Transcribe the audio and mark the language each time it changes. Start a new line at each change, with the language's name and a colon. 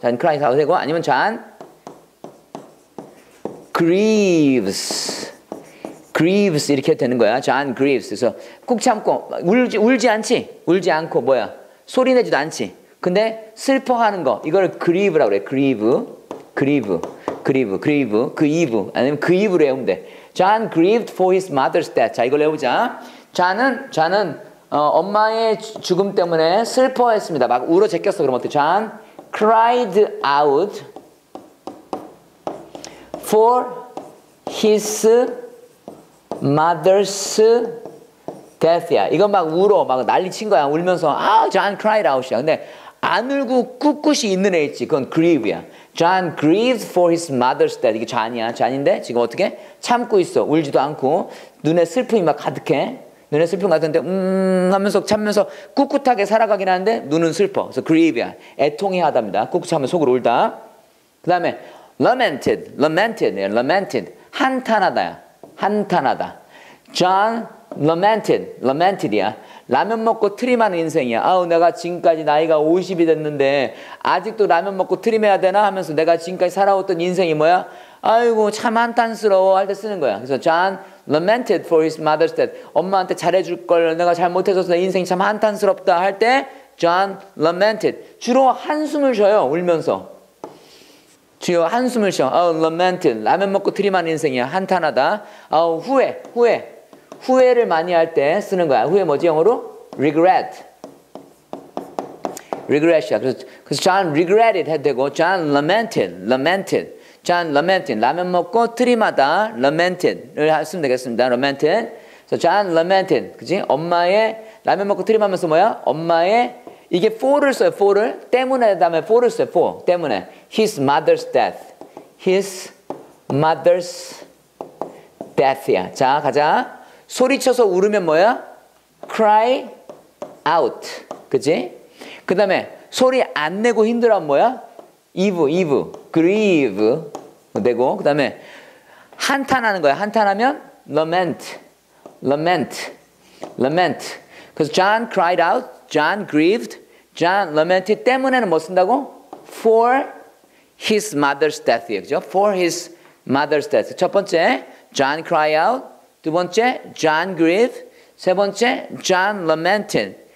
English: John cries out
Korean: 되고 아니면
English: John grieves.
Korean: grieves 이렇게 되는 거야.
English: John grieves.
Korean: 그래서 꾹 참고 울지 않지. 울지 않고 뭐야. 소리 내지도 않지. 근데 슬퍼하는 거. 이걸 grieve라고 그래.
English: grieve. grieve. grieve. grieve. 그 이브.
Korean: 아니면 그 이브로 해보면 돼.
English: John grieved for his mother's death.
Korean: 자 이걸 해보자. John은 엄마의 죽음 때문에 슬퍼했습니다. 막 울어 제꼈어. 그럼 어때?
English: John cried out for his mother's death야.
Korean: 이건 막 울어. 막 난리 친 거야. 울면서 아,
English: John cried out
Korean: 이야. 근데 안 울고 꿋꿋이 있는 애 있지. 그건 grieve야.
English: John grieved for his mother's death.
Korean: 이게 John이야. John인데 지금 어떻게? 참고 있어. 울지도 않고 눈에 슬픔이 막 가득해. 눈에 슬픔 같은데 하면서 참면서 꿋꿋하게 살아가긴 하는데 눈은 슬퍼. 그래서 grieve야. 애통해 하답니다. 꿋꿋이 하면 속으로 울다. 그 다음에 lamented. lamented. lamented. 한탄하다야. 한탄하다.
English: John lamented.
Korean: lamented이야. 라면 먹고 트림하는 인생이야. 아우 내가 지금까지 나이가 50이 됐는데 아직도 라면 먹고 트림해야 되나 하면서 내가 지금까지 살아왔던 인생이 뭐야? 아이고 참 한탄스러워 할 때 쓰는 거야. 그래서
English: John lamented for his mother's death.
Korean: 엄마한테 잘해줄 걸 내가 잘못해줘서 내 인생이 참 한탄스럽다 할 때 John lamented. 주로 한숨을 쉬어요. 울면서. 주요 한숨을 쉬어.
English: Oh, lamented.
Korean: 라면 먹고 트림하는 인생이야. 한탄하다. 후회. 후회. 후회를 많이 할 때 쓰는 거야. 후회 뭐지 영어로? Regret. Regret이야.
English: 그래서 John regretted
Korean: 해도 되고
English: John lamented. Lamented. John lamented.
Korean: 라면 먹고 트림하다. Lamented을 쓰면 되겠습니다.
English: Lamented. So John lamented.
Korean: 그치? 엄마의 라면 먹고 트림하면서 뭐야? 엄마의 이게 for를 써요. For를. 때문에 다음에 for를 써요.
English: For.
Korean: 때문에.
English: His mother's death. His mother's death야.
Korean: 자 가자. 소리쳐서 울으면 뭐야? Cry out. 그치? 그 다음에 소리 안 내고 힘들어하면 뭐야?
English: Eve. Eve. Grieve.
Korean: 되고 그 다음에 한탄하는 거야. 한탄하면 lament.
English: Lament. Lament. 그래서 John cried out. John grieved. John lamented.
Korean: 때문에는 뭐 쓴다고?
English: For his mother's death.
Korean: 그렇죠?
English: For his mother's death.
Korean: 첫 번째,
English: John cried out.
Korean: 두 번째,
English: John grieved.
Korean: 세 번째,
English: John lamented.